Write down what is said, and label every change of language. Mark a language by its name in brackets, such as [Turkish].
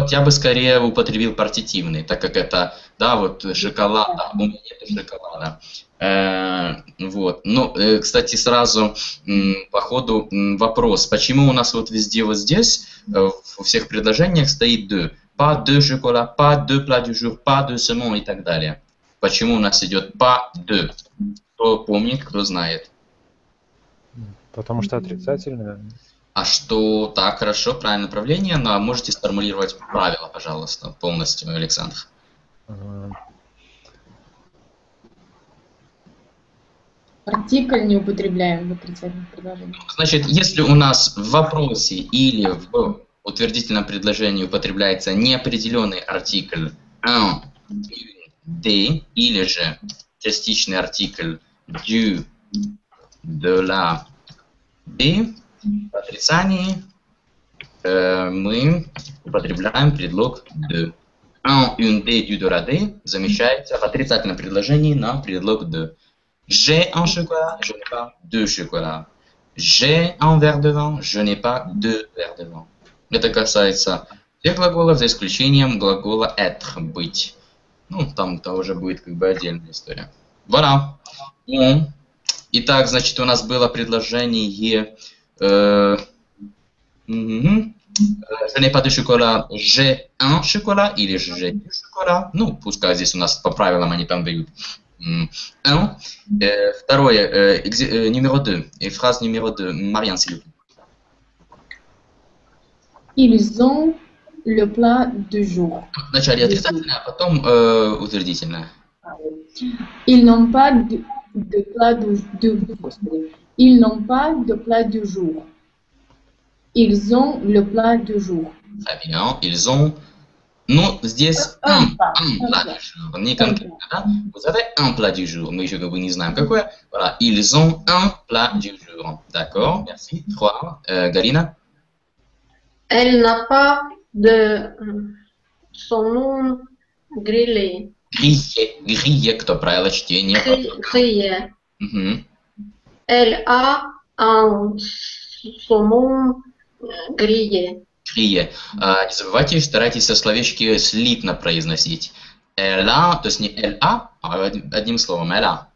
[Russian] Вот я бы скорее употребил партитивный, так как это, да, вот шоколад, да, у меня нет шоколада. Вот. Ну, кстати, сразу по ходу вопрос. Почему у нас вот везде вот здесь, во всех предложениях стоит «de»? [French] «Pas de chocolat», «pas de plat du jour», «pas de saumon» [Russian] и так далее. Почему у нас идет [French] «pas de»? [Russian] Кто помнит, кто знает? Потому что отрицательное. А что, так, хорошо, правильное направление, но можете сформулировать правила, пожалуйста, полностью, Александр. Артикль не употребляем в отрицательном предложении. Значит, если у нас в вопросе или в утвердительном предложении употребляется неопределенный артикль un, de, или же частичный артикль du, de la, de, в отрицании мы употребляем предлог de. Un, une, de, du, de, la, de замещается в отрицательном предложении на предлог de. [French] J'ai un chocolat, je n'ai pas deux chocolats. J'ai un verre de vin, je n'ai pas deux verres de vin. [Russian] Это касается всех глаголов, за исключением глагола être, быть. Ну, там это уже будет как бы отдельная история. [French] Voilà. [Russian] Итак, значит, у нас было предложение [French] Je n'ai pas de chocolat, j'ai un chocolat, [Russian] или же [French] j'ai deux chocolats. [Russian] Ну, пускай здесь у нас по правилам они там дают. Второе, [French] numéro 2, et phrase numéro 2, Marianne, s'il vous plaît. Ils ont le plat du jour. [Russian] Вначале отрицательное, а потом утвердительное. [French] Ils n'ont pas de plat du jour. Ils n'ont pas de plat du jour. Ils ont le plat du jour. Très bien, ils ont... [Russian] Ну, здесь [French] un plat du jour, [Russian] не конкретно, да? [French] Vous avez un plat du jour, [Russian] мы еще как бы не знаем какое. [French] Voilà, ils ont un plat du jour. D'accord, merci. Trois, Galina? Elle n'a pas de saumon grillé. Grillé, [Russian] кто правил чтение? [French] Grillé. Elle a un saumon grillé. [Russian] Крие. Не забывайте, старайтесь со словечки слитно произносить. Эла, то есть не эла, а одним словом эла.